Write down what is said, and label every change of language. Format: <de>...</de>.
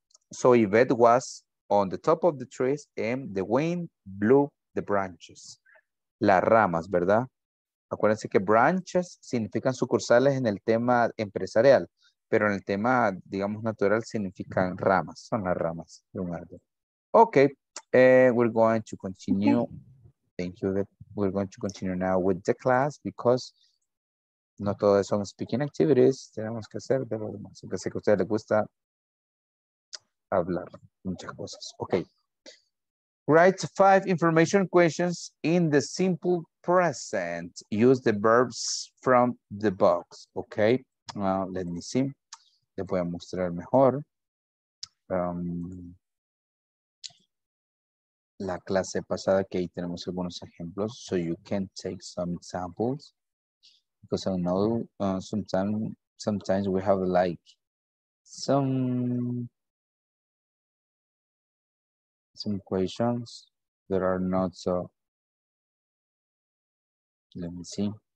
<en>So Yvette was on the top of the trees and the wind blew the branches.</en> <es>Las ramas, ¿verdad? Acuérdense que branches significan sucursales en el tema empresarial, pero en el tema, digamos, natural significan ramas. Son las ramas de un árbol.</es> <en>Okay, we're going to continue. Thank you. We're going to continue now with the class because</en> <es>no todas son</es> <en>speaking activities.</en> <es>Tenemos que hacer de lo demás. Aunque sé que a ustedes les gusta hablar muchas cosas.</es> <en>Okay. Write 5 information questions in the simple present. Use the verbs from the box. Okay. Let me see.</en> <es>Les voy a mostrar mejor. la clase pasada, que ahí tenemos algunos ejemplos.</es> <en>So you can take some examples. Because I know sometimes we have like some questions that are not so. Let me see.</en>